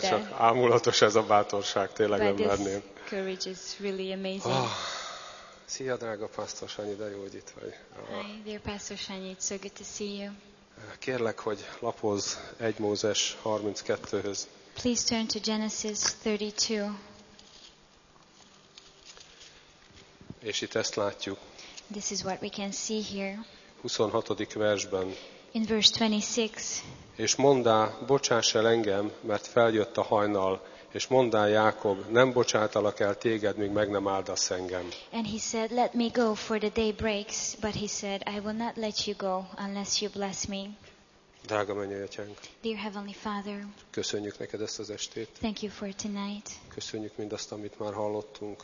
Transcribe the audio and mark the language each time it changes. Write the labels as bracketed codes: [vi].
[hu] csak ámulatos ez a bátorság, tényleg nem merném. [en] Courage is really amazing. Oh, [hu] szia, drága pásztor Sanyi, de jó, hogy itt vagy. [en] Hi, dear Pastor Sanyi, it's so good to see you. [hu] Kérlek, hogy lapozz 1 Mózes 32-höz. [en] Please turn to Genesis 32. [hu] És itt ezt látjuk. [en] This is what we can see here. [hu] 26. versben. [en] In verse 26. [hu] És mondá, bocsáss el engem, mert feljött a hajnal. És mondá Jákob, nem bocsátalak el téged, míg meg nem áldasz engem. [en] And he said, let me go for the day breaks, but he said, I will not let you go unless you bless me. [hu] Drága mennyei atyánk. [en] Dear Heavenly Father. [hu] Köszönjük neked ezt az estét. [en] Thank you for tonight. [hu] Köszönjük mindazt, amit már hallottunk.